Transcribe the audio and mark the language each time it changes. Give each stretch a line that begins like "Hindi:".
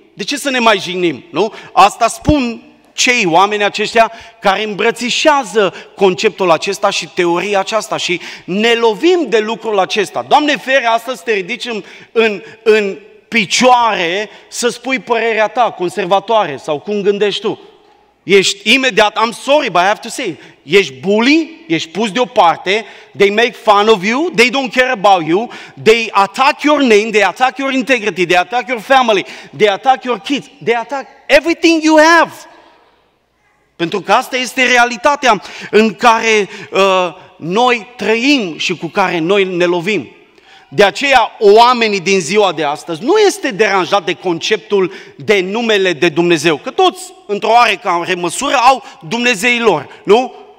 Romanian: De ce să ne mai jignim? Nu? Asta spun cei oameni aceștia care îmbrățișează conceptul acesta și teoria aceasta și ne lovim de lucrul acesta. Doamne fere, astăzi te ridici în picioare să spui părerea ta conservatoare sau cum gândești tu. Ești imediat,
English: I'm sorry, but I have to say,
Romanian: ești bully, ești pus deoparte,
English: they make fun of you, they don't care about you, they attack your name, they attack your integrity, they attack your family, they attack your kids, they attack everything you have.
Romanian: Pentru că asta este realitatea în care noi trăim și cu care noi ne lovim. De aceea, oamenii din ziua de astăzi nu este deranjat de conceptul de numele de Dumnezeu. Că toți, într-o oarecare măsură, au Dumnezeii lor, nu?